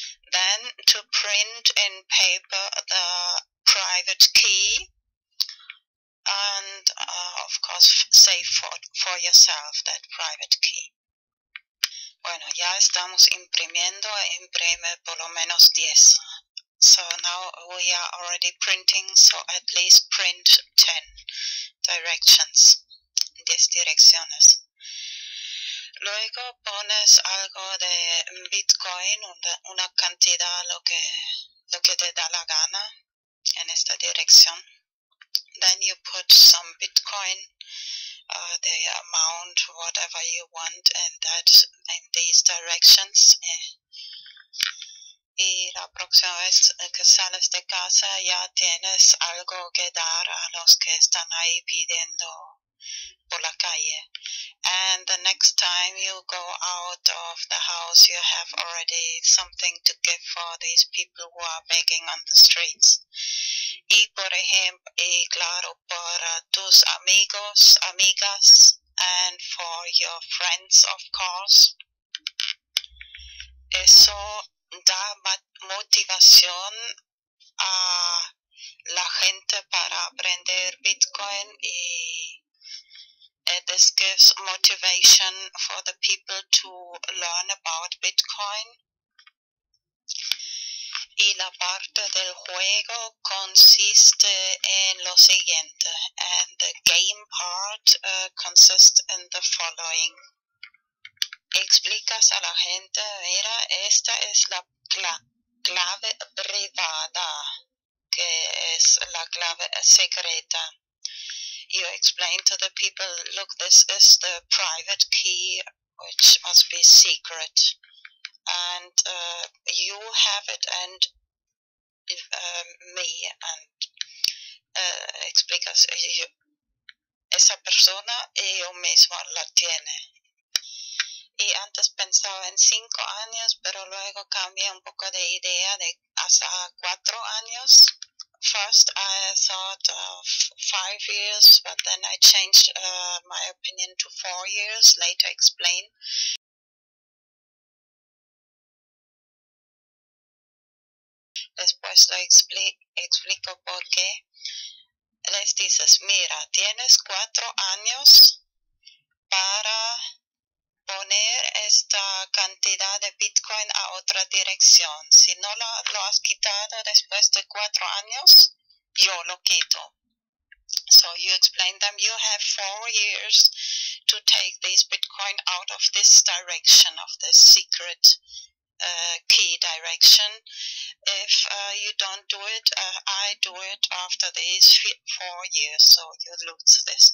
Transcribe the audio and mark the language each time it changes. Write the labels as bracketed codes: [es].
[en] Then, to print in paper the private key and, of course, save for yourself that private key. [es] Bueno, ya estamos imprimiendo, imprime por lo menos 10. [en] So now we are already printing, so at least print 10 directions, 10 direcciones. [es] Luego pones algo de Bitcoin, una cantidad, lo que te da la gana en esta dirección. [en] Then you put some Bitcoin, the amount, whatever you want, and that in these directions. [es] Y la próxima vez que sales de casa ya tienes algo que dar a los que están ahí pidiendo por la calle. [en] And the next time you go out of the house, you have already something to give for these people who are begging on the streets. [es] Y por ejemplo, y claro, para tus amigos, amigas, [en] and for your friends, of course. [es] Eso da motivación a la gente para aprender Bitcoin y [en] this gives motivation for the people to learn about Bitcoin. [es] Y la parte del juego consiste en lo siguiente. [en] And the game part consists in the following. [es] Explicas a la gente, mira, esta es la clave privada, que es la clave secreta. [en] You explain to the people, look, this is the private key, which must be secret. And you have it and me. [es] And explicas, esa persona y yo mismo la tiene. Y antes pensaba en 5 años, pero luego cambié un poco de idea de hasta 4 años. [en] First, I thought of 5 years, but then I changed my opinion to 4 years. Later, explain. [es] Después lo explico por qué. Les dices, mira, tienes 4 años para poner esta cantidad de Bitcoin a otra dirección. Si no lo has quitado después de 4 años, yo lo quito. [en] So you explain them, you have 4 years to take this Bitcoin out of this direction, of this secret key direction. If you don't do it, I do it after these 4 years, so you lose this.